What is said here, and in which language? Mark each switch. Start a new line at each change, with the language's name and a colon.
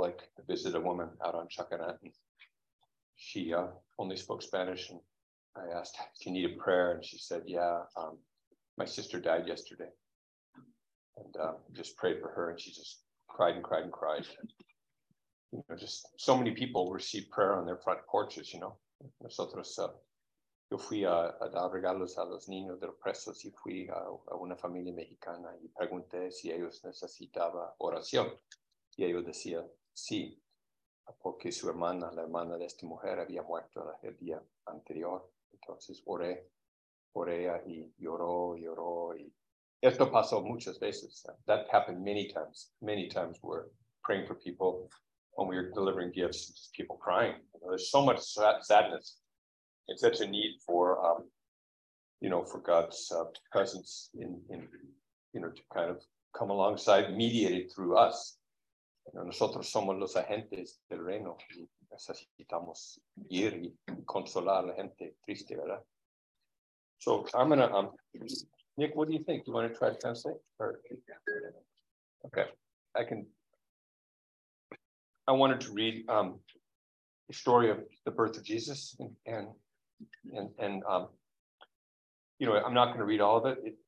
English: Like, I visited a woman out on Chuckanut, and she only spoke Spanish. And I asked, "Do you need a prayer?" And she said, "Yeah, my sister died yesterday. And just prayed for her." And she just cried and cried and cried. You know, just so many people receive prayer on their front porches, you know.
Spanish: Nosotros, yo fui a dar regalos a los niños de los presos y fui a una familia mexicana y pregunté si ellos necesitaban oración. Y ellos decían, sí, porque su hermana, la hermana de esta mujer, había muerto el día anterior. Entonces oré por ella y lloró, lloró. Y esto pasó muchas veces.
English: That happened many times we're praying for people. When we were delivering gifts, just people crying. You know, there's so much sadness. It's such a need for, you know, for God's presence in, you know, to kind of come alongside, mediated through us.
Spanish: You know, nosotros somos los agentes del reino. Y necesitamos ir y consolar a la gente triste, ¿verdad?
English: So I'm gonna, Nick, what do you think? Do you want to try to translate? Or, okay, I can. I wanted to read the story of the birth of Jesus, and you know, I'm not going to read all of it.